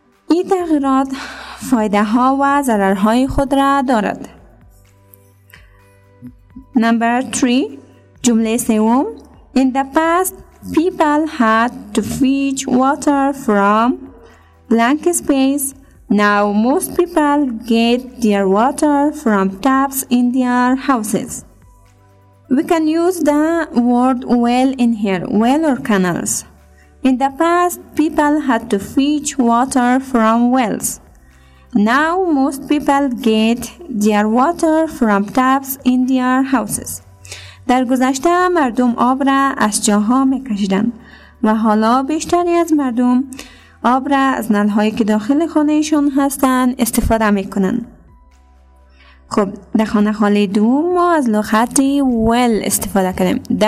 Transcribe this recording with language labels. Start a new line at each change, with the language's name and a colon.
Persian: این تغییرات فایده ها و ضرر های خود را دارد.
English: Number 3
Persian: جمله سوم
English: In the past people had to fetch water from blank space. now most people get their water from taps in their houses. We can use the word well in here, well or canals. In the past, people had to fetch water from wells. Now, most people get their water from taps in their houses.
Persian: در گذشته مردم آب را از جاها میکشیدند و حالا بیشتری از مردم آب را از نلهایی که داخل خانهشون هستند استفاده میکنند. خب در خانه خالی دوم ما از لغت well استفاده کردیم.